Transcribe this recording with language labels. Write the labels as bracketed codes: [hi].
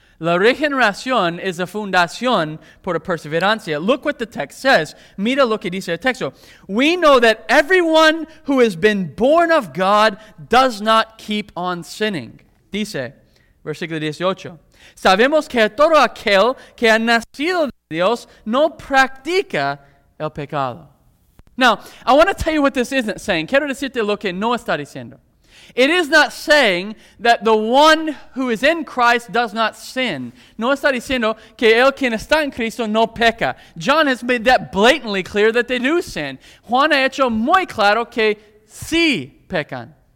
[es] La regeneración es la fundación por la perseverancia. [en] Look what the text says. [es] Mira lo que dice el texto. [en] We know that everyone who has been born of God does not keep on sinning. [es] Dice, versículo 18. Sabemos que todo aquel que ha nacido de Dios no practica el pecado. [en] Now, I want to tell you what this isn't saying. [es] Quiero decirte lo que no está diciendo. [en] It is not saying that the one who is in Christ does not sin. [es] No está diciendo que el quien está en Cristo no peca. [en] John has made that blatantly clear that they do sin. [es] Juan ha hecho muy claro que sí pecan.